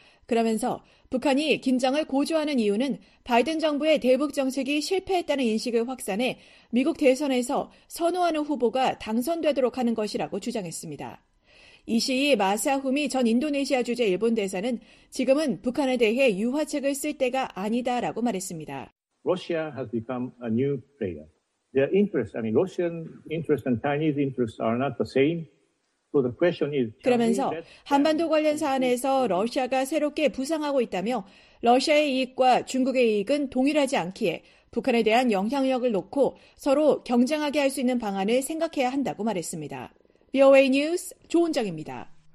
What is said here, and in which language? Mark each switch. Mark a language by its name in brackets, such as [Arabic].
[Korean] 그러면서 북한이 긴장을 고조하는 이유는 바이든 정부의 대북 정책이 실패했다는 인식을 확산해 미국 대선에서 선호하는 후보가 당선되도록 하는 것이라고 주장했습니다. 이시이 마사후미 전 인도네시아 주재 일본 대사는 지금은 북한에 대해 유화책을 쓸 때가 아니다라고 말했습니다. [English] Russia has become a new player. Their interests, I mean, Russian interests and Chinese interests are not the same. [Korean] 그러면서 한반도 관련 사안에서 러시아가 새롭게 부상하고 있다며 러시아의 이익과 중국의 이익은 동일하지 않기에 북한에 대한 영향력을 놓고 서로 경쟁하게 할 수 있는 방안을 생각해야 한다고 말했습니다. VOA 뉴스 조은정입니다.